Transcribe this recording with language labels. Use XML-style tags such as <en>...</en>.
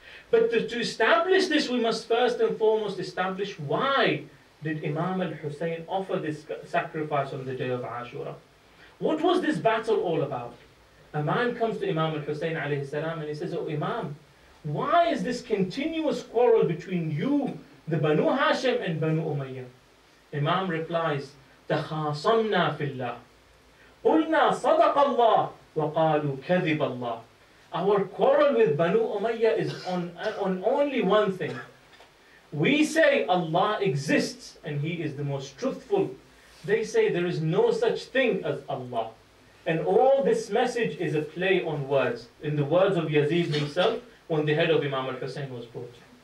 <en>But to establish this, we must first and foremost establish why did Imam al-Husayn offer this sacrifice on the day of Ashura? What was this battle all about? A man comes to Imam al-Husayn alayhi salam and he says, oh Imam, why is this continuous quarrel between you, the Banu Hashim and Banu Umayyah? Imam replies,</en> <ar>تَخَاصَمْنَا فِي اللَّهِ قُلْنَا صَدَقَ اللَّهِ وَقَالُوا كَذِبَ اللَّهِ.</ar> <en>Our quarrel with Banu Umayyah is on only one thing. We say Allah exists and He is the most truthful. They say there is no such thing as Allah. And all this message is a play on words, in the words of Yazid himself, when the head of Imam al-Husayn was brought.</en>